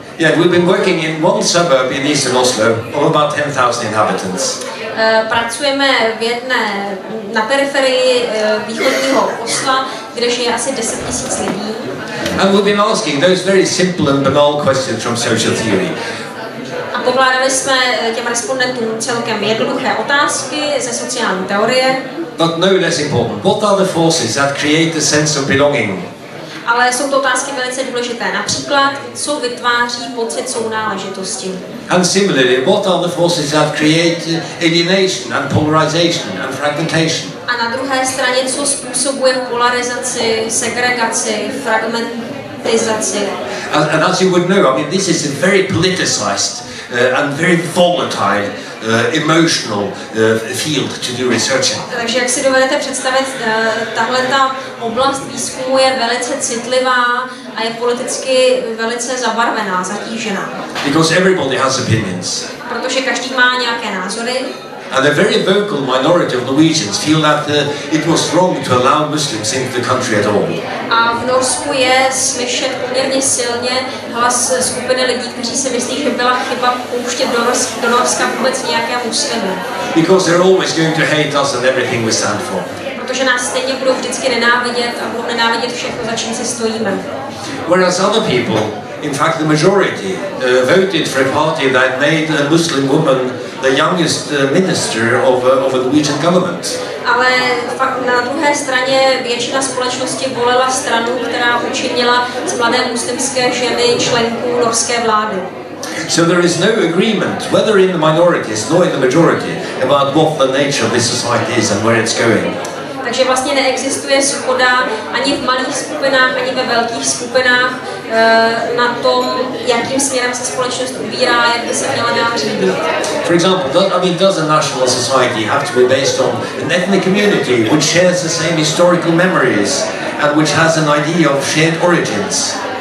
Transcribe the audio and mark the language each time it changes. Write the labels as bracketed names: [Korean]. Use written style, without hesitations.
[English] Yeah, we've been working in one suburb in eastern Oslo, of about 10,000 inhabitants. [Czech] Pracujeme v jedné, na periferii východního Osla, kde žije asi 10 000 lidí. [English] And we've been asking those very simple and banal questions from social theory. [Czech] A pokládali jsme těm respondentům celkem jednoduché otázky ze sociální teorie. [English] But no less important, what are the forces that create the sense of belonging? [Czech] Ale jsou to otázky velice důležité. Například, co vytváří pocit sounáležitosti. [English] And similarly, what are the forces that create alienation and polarization and fragmentation? [Czech] A na druhé straně, co způsobuje polarizaci, segregaci, fragmentizaci? [English] And as you would know, I mean, this is a very politicized and very volatile emotional field to do research in. [Czech] Takže jak si dovedete představit, tahle ta oblast výzkumu je velice citlivá a je politicky velice zabarvená, zatížená. [English] Because everybody has opinions. [Czech] Protože každý má nějaké názory. [English] And a very vocal minority of Norwegians feel that it was wrong to allow Muslims into the country at all. [Czech] A v Norsku je slyšet poměrně silně hlas skupiny lidí, kteří si myslí, že byla chyba pouštět do Norska vůbec nějaké muslimy. [English] Because they're always going to hate us and everything we stand for. [Czech] Protože nás stejně budou vždycky nenávidět a budou nenávidět všechno, za čím si stojíme. [English] Whereas other people, in fact the majority, voted for a party that made a Muslim woman the youngest minister of a Norwegian government. [Czech] Ale na druhé straně většina společnosti volila stranu, která učinila z mladé muslimské ženy členku norské vlády. [English] So there is no agreement, whether in the minorities nor in the majority, about what the nature of this society is and where it's going. [Czech] Takže vlastně neexistuje shoda ani v malých skupinách, ani ve velkých skupinách na tom, jakým směrem se společnost ubírá, jak by se měla dát řídit. [English] For example, does a national society have to be based on an ethnic community which shares the same historical memories and which has an idea of shared origins?